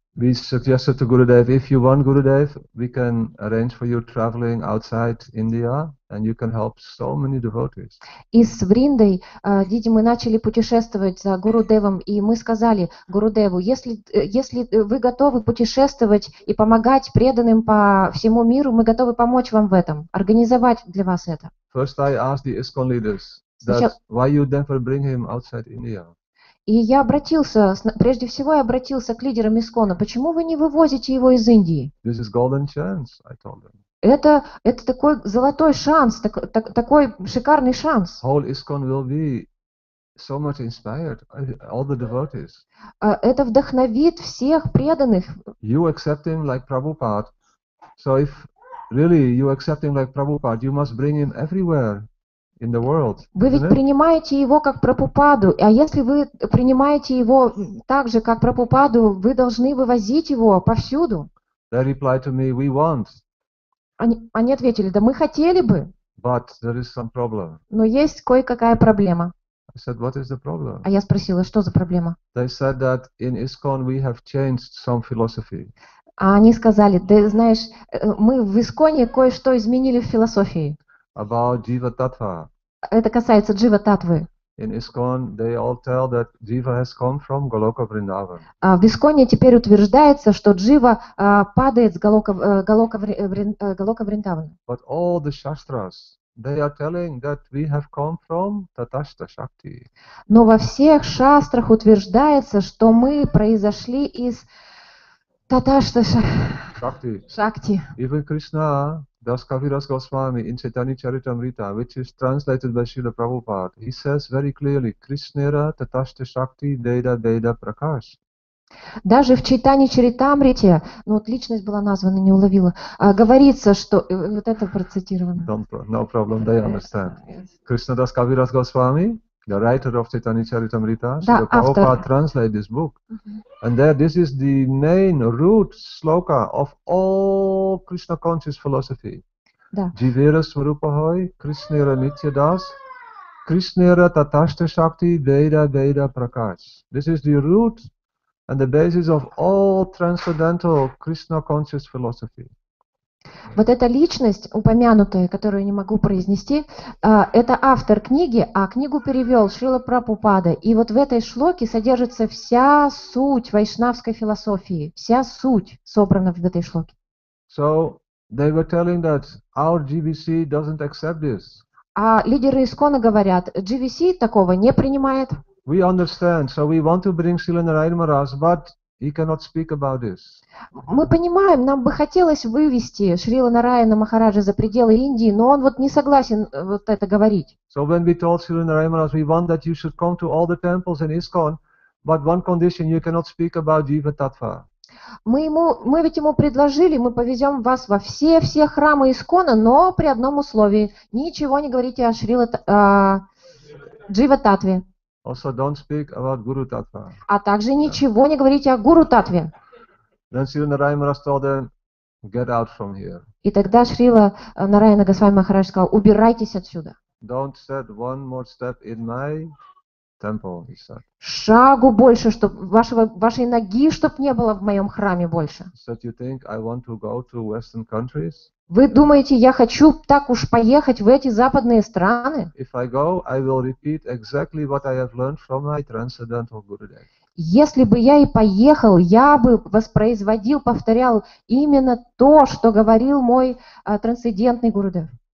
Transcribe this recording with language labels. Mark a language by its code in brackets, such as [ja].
[en] We suggested to Gurudev, if you want Gurudev, we can arrange for you traveling outside India, and you can help so many devotees. [ru] И с Вриндой, Диди, мы начали путешествовать за Гурудевом, и мы сказали Гурудеву, если вы готовы путешествовать и помогать преданным по всему миру, мы готовы помочь вам в этом, организовать для вас это. [en] First I asked the ISKCON leaders, that why you never bring him outside India? [ru] И я обратился, прежде всего я обратился к лидерам ИСКОНа, почему вы не вывозите его из Индии? [en] This is golden chance, I told them. [ru] Это такой золотой шанс, такой шикарный шанс. [en] Whole ISKCON will be so much inspired, all the devotees. [ru] Это вдохновит всех преданных. [en] You accept him like Prabhupada. So if really you accept him like Prabhupada, you must bring him everywhere in the world. [ru] Вы ведь принимаете его как Прабхупаду, а если вы принимаете его так же, как Прабхупаду, вы должны вывозить его повсюду. [en] They replied to me, we want. [ru] Они ответили, да мы хотели бы. [en] But there is some problem. [ru] Но есть кое-какая проблема. [en] I said, what is the problem? [ru] А я спросила, что за проблема? [en] They said that in ISKCON we have changed some philosophy. [ru] А они сказали, да знаешь, мы в ИСКОНе кое-что изменили в философии. [en] About jiva tattva. [ru] Это касается джива таттвы. [en] In ISKCON they all tell that jiva has come from Goloka Vrindavan. [ru] А в ИСКОНе теперь утверждается, что джива падает с Голока Вриндавана. [en] But all the shastras, they are telling that we have come from Tathashta Shakti. [ru] Но во всех шастрах утверждается, что мы произошли из Tathashta Shakti. [en] Even Krishna, Das Kaviraj Goswami in Chaitanya Charitamrita, which is translated by Srila Prabhupada, he says very clearly, Krishnera Tathashta Shakti Deida Deida Prakash. [ru] Даже в Чайтане Чаритамрите, ну вот личность была названа, не уловила, говорится, что... Вот это процитировано. [en] No problem, they understand. Krishna Das Kaviraj Goswami, the writer of Chaitanya Charitamrita, Srila Prabhupada translated this book. And there, this is the main root sloka of all Krishna conscious philosophy. Jivera Swarupahoi, Krishnera Nityadas, Krishnera Tathashta Shakti, Veda Veda Prakash. This is the root and the basis of all transcendental Krishna conscious philosophy. [ru] Вот эта личность, упомянутая, которую не могу произнести, это автор книги, а книгу перевел Шрила Прабхупада. И вот в этой шлоке содержится вся суть вайшнавской философии, вся суть собрана в этой шлоке. [en] So they were telling that our GVC doesn't accept this. [ru] А лидеры ИСКОНа говорят, GVC такого не принимает. [en] We understand, so we want to bring Srila Narayana Maharaj, but he cannot speak about this. [ru] Мы понимаем, нам бы хотелось вывести Шрила Нараяна Махараджа за пределы Индии, но он вот не согласен вот это говорить. [en] So when we told Srila Narayana Maharaj, we want that you should come to all the temples in ISKCON, but one condition, you cannot speak about jiva tattva. [ru] Мы ведь ему предложили, мы повезем вас во все храмы ИСКОНа, но при одном условии, ничего не говорите о Шрила джива таттве. [en] Also don't speak about Guru Tattva. [ru] А также ничего не говорите о Гуру Таттве. [en] Then Srila Narayana Maharaj told them, get out from here. [ru] И тогда Шрила Нараяна Госвами Махарадж сказал, убирайтесь отсюда. [en] Don't set one more step in my temple, he said. [ru] Шагу больше, чтоб вашей ноги, чтоб не было в моем храме больше. [en] So you think I want to go to Western countries? [ru] Вы думаете, я хочу так уж поехать в эти западные страны? Если бы я и поехал, я бы воспроизводил, повторял именно то, что говорил мой трансцендентный Гурудев.